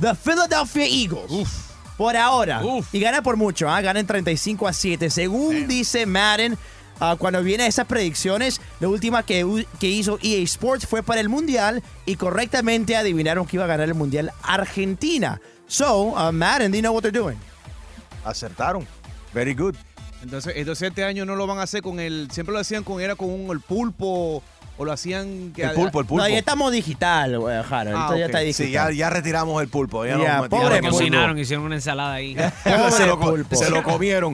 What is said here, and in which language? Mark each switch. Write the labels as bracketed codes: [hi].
[en] The Philadelphia Eagles. Uf. [es] Por ahora. Uf. Y gana por mucho, ¿eh? Ganan 35-7. Según dice Madden, cuando viene a esas predicciones, la última que hizo EA Sports fue para el Mundial y correctamente adivinaron que iba a ganar el Mundial Argentina. [en] So, Madden, do you know what they're doing? [es] Acertaron. [en] Very good. [es] Entonces este año no lo van a hacer con el... Siempre lo hacían con... Era con el pulpo... ¿O lo hacían? El pulpo. No, ya estamos digital, Jaro. Okay. Ya está digital. Sí, ya retiramos el pulpo. Pobre pulpo. Cocinaron, hicieron una ensalada ahí. Pobre pulpo. Se lo comieron.